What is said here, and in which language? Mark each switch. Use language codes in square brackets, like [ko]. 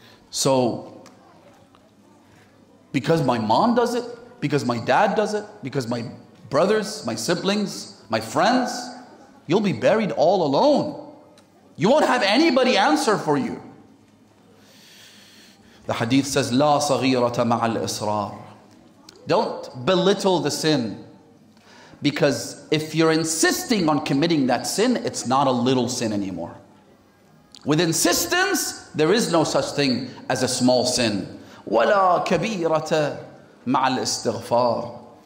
[en] So, because my mom does it, because my dad does it, because my brothers, my siblings, my friends, you'll be buried all alone. You won't have anybody answer for you. The hadith says, [ar] لا صغيرة مع الإصرار. [en] Don't belittle the sin. Because if you're insisting on committing that sin, it's not a little sin anymore. With insistence, there is no such thing as a small sin. [ar] ولا كبيرة مع الاستغفار.